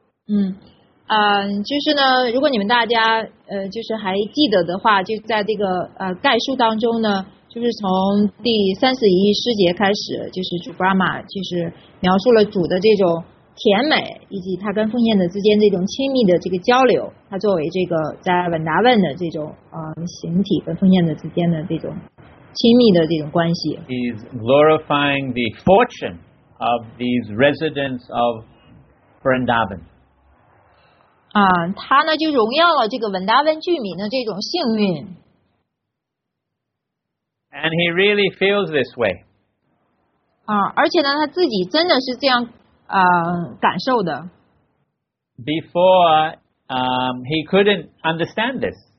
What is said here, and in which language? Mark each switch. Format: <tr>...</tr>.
<zh>就是呢，如果你们大家就是还记得的话，就在这个概述当中呢，就是从第31诗节开始，就是主 Brahma 就是描述了主的这种甜美，以及他跟奉献者之间这种亲密的这个交流，他作为这个在文达问的这种形体跟奉献者之间的这种亲密的这种关系。</zh> <en>He's glorifying the fortune of these residents of Vrindavan.</en> <zh>他呢就荣耀了这个文达问居民的这种幸运。</zh> <en>And he really feels this way.</en> <zh>而且呢他自己真的是这样感受的。</zh> <en>Before, he couldn't understand this.</en>